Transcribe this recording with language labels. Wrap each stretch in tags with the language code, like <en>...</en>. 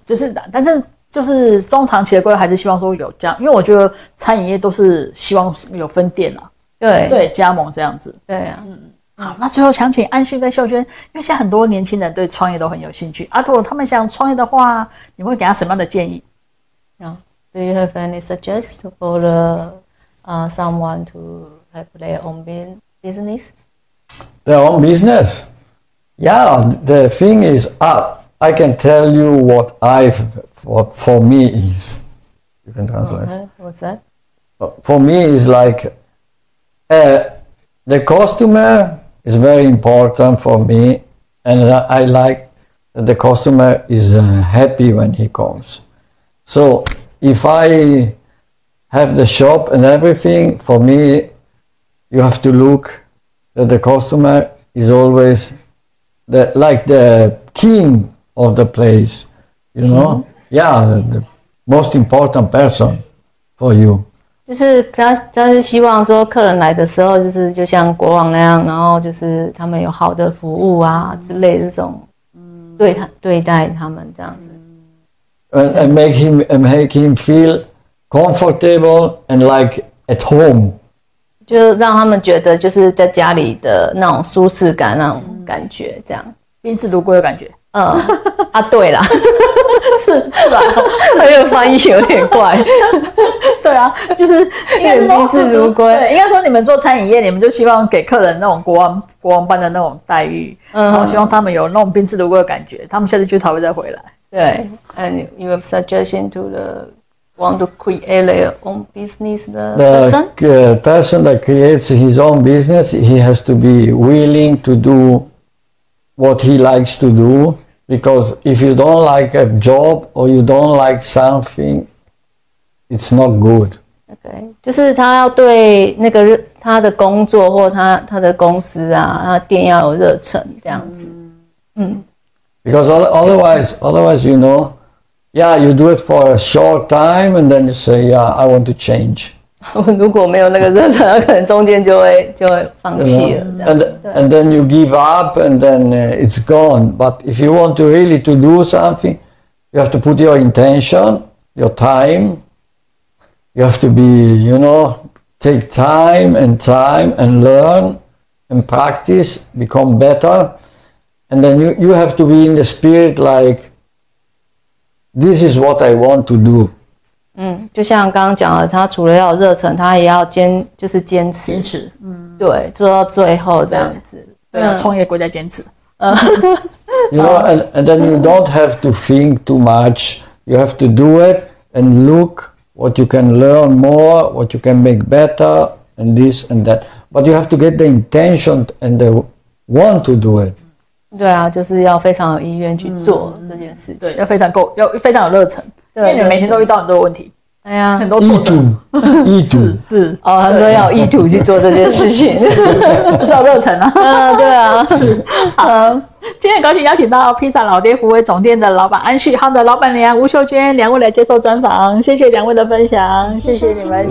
<zh>就是，但是就是中长期的规划还是希望说有加，因为我觉得餐饮业都是希望有分店啊，对对，加盟这样子。对啊，嗯，好，那最后想请安勋跟秀娟，因为现在很多年轻人对创业都很有兴趣，啊，如果他们想创业的话，你会给他什么样的建议？</zh> <en>Do you have any suggest for the someone to have their own business? Their own business. Yeah, the thing is, I can tell you what for me is. You can translate. Okay, what's that? For me is like, the customer is very important for me, and I like that the customer is happy when he comes. So if I have the shop and everything, for me, you have to look that the customer is always... like the king of the place, you know? Mm-hmm. Yeah, the most important person for you.</en> <zh>就是他是希望说客人来的时候就是就像国王那样，然后就是他们有好的服务啊之类的这种，对待他们这样子。</zh> <en>And make him feel comfortable and like at home.</en> <zh>就让他们觉得就是在家里的那种舒适感，那种感觉，这样宾至如归的感觉。嗯，啊，对啦，是吧？这个翻译有点怪。对啊，就是应该宾至如归。对，应该说你们做餐饮业，你们就希望给客人那种国王般的那种待遇，嗯，然后希望他们有那种宾至如归的感觉，他们下次去才会再回来。</zh> <en>对 ，and you have suggestion to the. Want to create their own business, the person that creates his own business, he has to be willing to do what he likes to do. Because if you don't like a job or you don't like something, it's not good.</en> <zh>Okay, 就是他要对那个他的工作或他的公司啊，他店要有热忱这样子。嗯。</zh> <en>Because otherwise, you know.Yeah, you do it for a short time and then you say, yeah, I want to change.</en> <zh>如果没有那个热忱，可能中间就会放弃了。</zh> <en>You know? And then you give up, and then it's gone. But if you want to really to do something, you have to put your intention, your time. You have to be, you know, take time and learn and practice, become better. And then you have to be in the spirit like, this is what I want to do.</en> <zh>嗯，就像刚刚讲的，他除了要热忱，他也要坚持，坚持，嗯，对，做到最后这样子，对，创业归在坚持。</zh> <en>You know, and then you don't have to think too much. You have to do it and look what you can learn more, what you can make better, and this and that. But you have to get the intention and the want to do it.</en> <zh>对啊，就是要非常有意愿去做这件事情，对，要非常够，要非常有热忱。因为你每天都遇到很多问题，哎呀，很多挫折，意图是哦，很多要有意图去做这件事情，就是要热忱啊，对啊，是好，今天很高兴邀请到披萨老爹胡威总店的老板安旭，他的老板娘吴秀娟两位来接受专访，谢谢两位的分享，谢谢你们，</zh>